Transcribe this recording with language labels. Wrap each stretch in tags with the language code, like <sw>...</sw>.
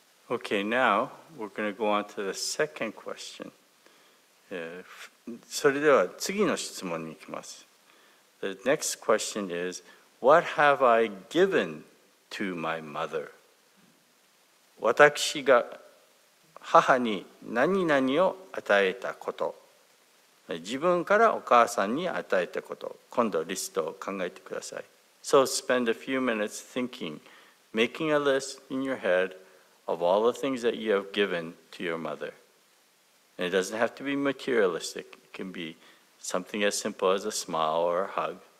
<en>Okay, now we're going to go on to the second question.</en> <ja>それでは次の質問に行きます。</ja> <en>The next question is, what have I given to my mother?</en> <ja>私が母に何々を与えたこと。自分からお母さんに与えたこと。今度リストを考えてください。</ja> <en>So spend a few minutes thinking, making a list in your head,of all the things that you have given to your mother. And it doesn't have to be materialistic. It can be something as simple as a smile or a hug.</en>